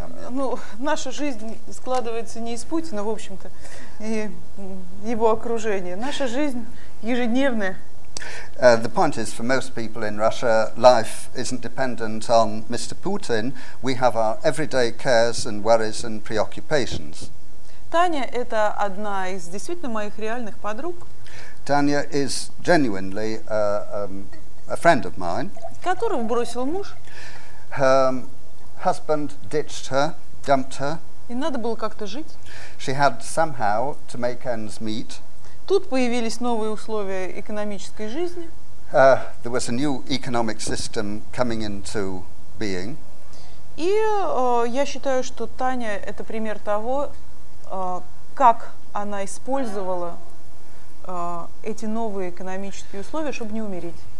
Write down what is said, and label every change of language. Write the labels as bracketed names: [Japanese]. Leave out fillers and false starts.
[Russian] Ну, наша жизнь складывается не из Путина, в общем-то, и его окружения. Наша жизнь ежедневная. [English] The point is, for most people in Russia, life isn't dependent on Mr. Putin. We have our everyday cares and worries and preoccupations. [Russian] Таня – это одна из действительно моих реальных подруг. [English] Tanya is genuinely a friend of mine. [Russian] Которого бросил муж. [English] Husband ditched her, dumped her. [Russian] И надо было как-то жить. [English] She had somehow to make ends meet. [Russian] Тут появились новые условия экономической жизни. [English] There was a new economic system coming into being. [Russian] И я считаю, что Таня – это пример того, как она использовала эти новые экономические условия, чтобы не умереть.